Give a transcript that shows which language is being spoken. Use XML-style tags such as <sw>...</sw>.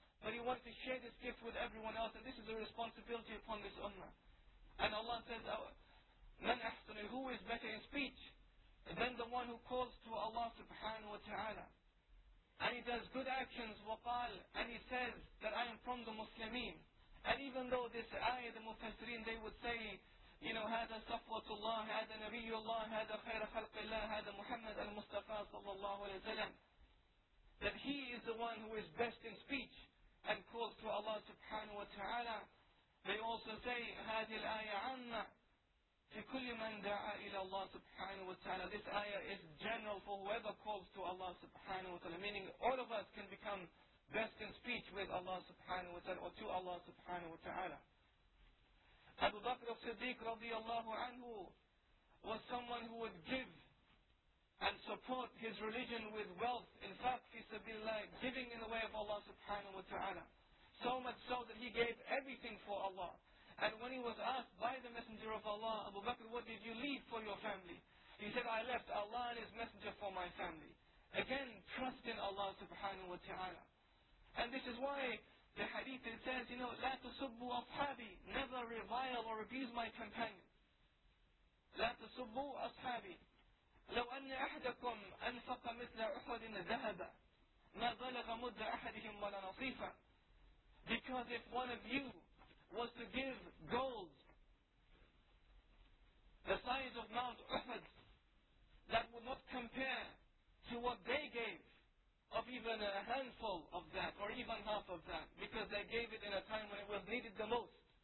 <en>But he wanted to share this gift with everyone else. And this is a responsibility upon this ummah. And Allah says, "Man أحسن, who is better in speech than the one who calls to Allah subhanahu wa ta'ala. And he does good actions, وقال, and he says that I am from the Muslimin. And even though this ayah, the Mufassirin, they would say, you know,</en> <ar>هذا صفوة الله, هذا نبي الله, هذا خير خلق الله, هذا محمد المصطفى صلى الله عليه وسلم.</ar> <en>That he is the one who is best in speech and calls to Allah subhanahu wa ta'ala. They also say,</en> <ar>هذه الآية عامة في كل من دعا إلى الله سبحانه وتعالى.</ar> <en>This ayah is general for whoever calls to Allah سبحانه وتعالى. Meaning all of us can become best in speech with Allah سبحانه وتعالى or to Allah سبحانه وتعالى. Abu Bakr as-Siddiq رضي الله عنه was someone who would give and support his religion with wealth. In fact,</en> <ar>في سبيل الله,</ar> <en>giving in the way of Allah سبحانه وتعالى. So much so that he gave everything for Allah. And when he was asked by the Messenger of Allah, Abu Bakr, what did you leave for your family? He said, I left Allah and His Messenger for my family. Again, trust in Allah subhanahu wa ta'ala. And this is why the hadith it says, you know,</en> <ar>لا تسبوا أصحابي,</ar> <en>never revile or abuse my companion.</en> <ar>لا تسبوا أصحابي. لو أن أحدكم أنفق مثل أحد ذهبا ما بلغ مد أحدهم ولا نصيفا.</ar> <en>Because if one of you was to give gold the size of Mount Uhud, that would not compare to what they gave of even a handful of that, or even half of that, because they gave it in a time when it was needed the most.</en>